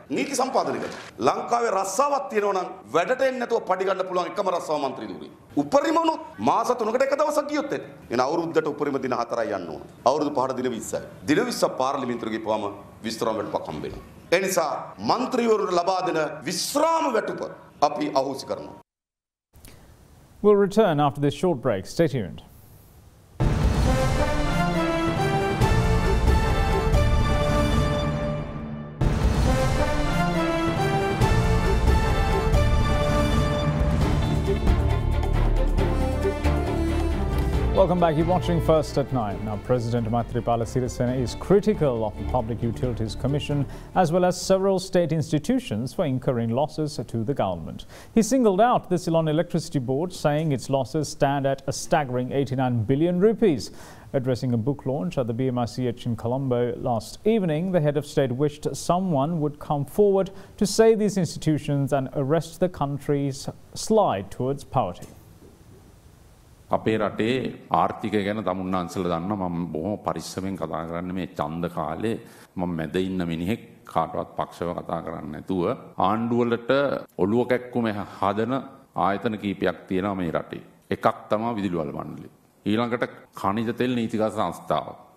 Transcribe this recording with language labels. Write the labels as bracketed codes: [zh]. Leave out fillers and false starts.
[si] නීති සම්පාදනික ලංකාවේ රස්සාවක් තියෙනවා නම් වැඩට එන්නේ නැතුව පඩි ගන්න පුළුවන් එකම රස්සාව මන්ත්‍රී ධුරේ. උපරිම වුණොත් මාස 3කට එක දවසක් ගියොත් එන අවුරුද්දට උපරිම දින 4යි යන්න ඕන. අවුරුදු 5 දින 20යි. දින 20 පාර්ලිමේන්තුවට ගිහපුවම විස්තරම් වැටුපක් හම්බ වෙනවා. එනිසා මන්ත්‍රීවරුන්ට ලබා දෙන විස්රාම වැටුප අපි අහෝසි කරනවා. [en] We'll return after this short break. Stay tuned. Welcome back. You're watching First at Nine. Now, President Maithripala Sirisena is critical of the Public Utilities Commission as well as several state institutions for incurring losses to the government. He singled out the Ceylon Electricity Board, saying its losses stand at a staggering 89 billion rupees. Addressing a book launch at the BMICH in Colombo last evening, the head of state wished someone would come forward to save these institutions and arrest the country's slide towards poverty. [si] අපේ රටේ ආර්ථිකය ගැන තමුන්නාන්සල දන්න මම බොහොම පරිස්සමෙන් කතා කරන්නේ මේ ඡන්ද කාලේ මම මැද ඉන්න මිනිහෙක් කාටවත් පක්ෂව කතා කරන්නේ නැතුව ආණ්ඩුවලට ඔළුව කැක්කුම හදන ආයතන කීපයක් තියෙනවා මේ රටේ එකක් තමයි විදුලිවල මණ්ඩලය ඊළඟට ඛනිජ තෙල් නීතිගත සංස්ථාව